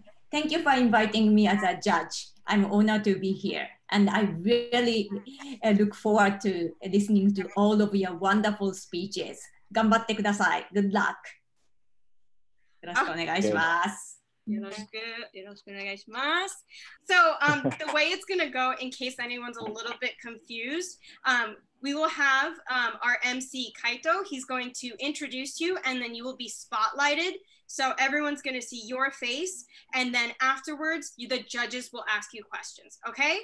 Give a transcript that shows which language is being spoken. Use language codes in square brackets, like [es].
[en] Thank you for inviting me as a judge. I'm honored to be here. And I really look forward to listening to all of your wonderful speeches. [ja] 頑張ってください。 [en] Good luck. [ja] よろしくお願いします。よろしくお願いします。 [en] So, the way it's going to go, in case anyone's a little bit confused, we will have our MC Kaito. He's going to introduce you and then you will be spotlighted. So everyone's going to see your face, and then afterwards, the judges will ask you questions, okay?